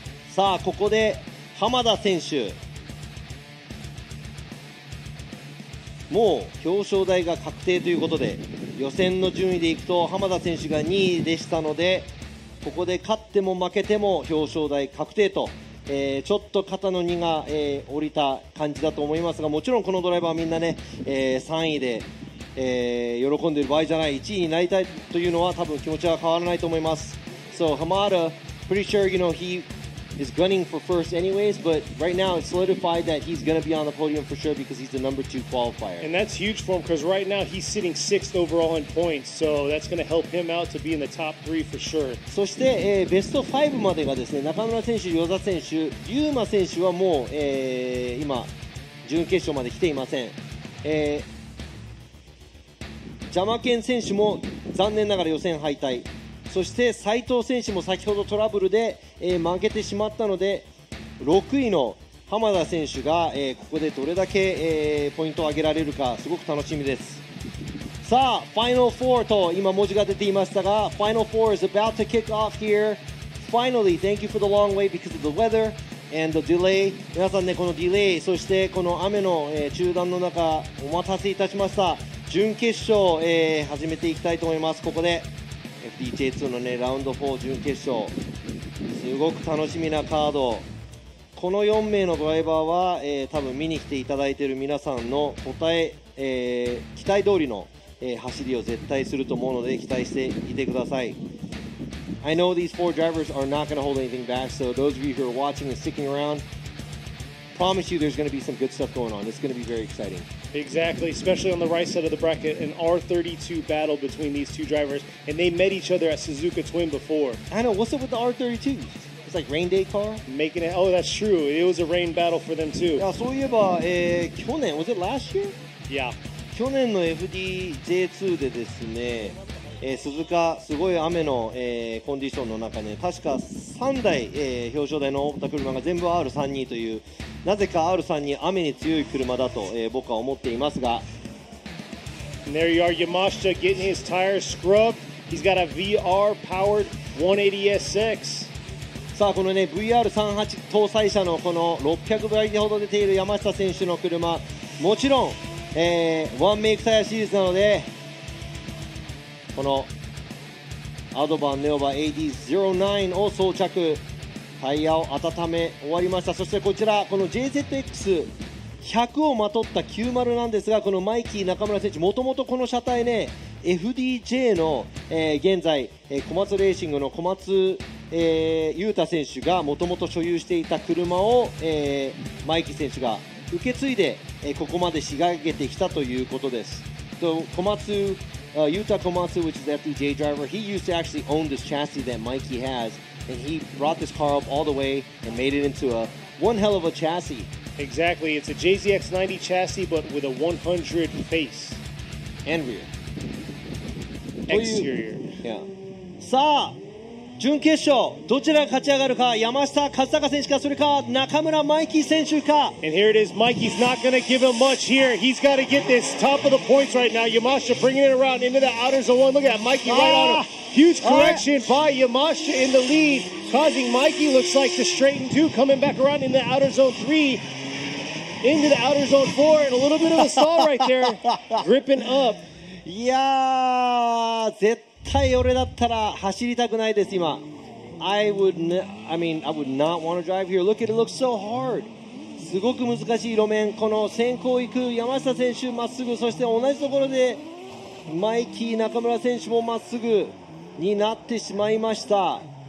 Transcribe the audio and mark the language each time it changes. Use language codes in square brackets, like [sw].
[ja] さあ、ここで浜田選手、もう表彰台が確定ということで、予選の順位でいくと浜田選手が2位でしたので、ここで勝っても負けても表彰台確定と、ちょっと肩の荷が、降りた感じだと思いますが、もちろんこのドライバーみんなね、3位で、喜んでる場合じゃない、1位になりたいというのは多分気持ちは変わらないと思います。 [en] So Hamada, pretty sure you know heis gunning for first anyways, but right now it's solidified that he's going to be on the podium for sure because he's the number two qualifier. And that's huge for him because right now he's sitting sixth overall in points, so that's going to help him out to be in the top three for sure. [ja] そして、ベスト5までがですね、中村選手、与田選手、ユーマ選手はもう、今準決勝まで来ていません。ジャマケン選手も残念ながら予選敗退。そして斉藤選手も先ほどトラブルで、負けてしまったので、6位の浜田選手が、ここでどれだけ、ポイントを上げられるかすごく楽しみです。さあ、ファイナル4と今文字が出ていましたが、ファイナル4 [en] is about to kick off here. Finally, thank you for the long wait because of the weather and the delay. [ja] 皆さんね、このディレイ、そしてこの雨の、中断の中お待たせいたしました。準決勝、始めていきたいと思います。ここでFDJ2 の、ね、ラウンド4準決勝、すごく楽しみなカード。この4名のドライバーは、多分見に来ていただいている皆さんの答え、期待通りの、走りを絶対すると思うので、期待していてください。 [en] I know these 4 drivers are not going to hold anything back, so those of you who are watching and sticking aroundPromise you there's going to be some good stuff going on. It's going to be very exciting. Exactly, especially on the right side of the bracket, an R32 battle between these two drivers, and they met each other at Suzuka Twin before. I know, what's up with the R32? It's like rain day car? Making it, oh, that's true. It was a rain battle for them too. Yeah, [ja] そういえば、去年、 [en] was it last year? Yeah. [ja] 去年の FDJ2 でですね、Suzuka、すごい雨の、コンディションの中ね、確か3台、表彰台の大きな車が全部 R32 という、なぜか R さんに雨に強い車だと、僕は思っていますが。 [en] And there you are, Yamashita getting his tires scrubbed. He's got a VR-powered 180SX. [ja] さあ、このね、VR38 搭載車のこの600馬力ほど出ている山下選手の車、もちろん、ワンメイクタイヤシリーズなので、このアドバンネオバ AD09 を装着。タイヤを温め終わりました。そしてこちら、この JZX100 をまとった90なんですが、このマイキー中村選手、もともとこの車体ね、FDJ の、現在、小松レーシングの小松雄太選手がもともと所有していた車を、マイキー選手が受け継いで、ここまで仕上げてきたということです。 [en] So, 小松、Yuta Komatsu, which is the FDJ driver, he used to actually own this chassis that Mikey has. And he brought this car up all the way and made it into a one hell of a chassis. Exactly. It's a JZX90 chassis, but with a 100 face. And rear. Exterior. Yeah. [ja] さあ、準決勝、どちらが勝ち上がるか、山下和孝選手か、それか中村マイキー選手か。 [en] And here it is. Mikey's not going to give him much here. He's got to get this top of the points right now. Yamashita bringing it around into the outer zone. Look at that. Mikey right on him. Huge correction by Yamashita in the lead, causing Mikey, looks like, to straighten too, coming back around in the outer zone 3, into the outer zone 4, and a little bit of a stall right there, gripping up. [ja] いやー、絶対俺だったら走りたくないです、今。 [en] I would not want to drive here. Look at it, it looks so hard. [ja] すごく難しい路面、この先行行く山下選手、まっすぐ、そして同じところで、マイキー中村選手もまっすぐになってしまいました。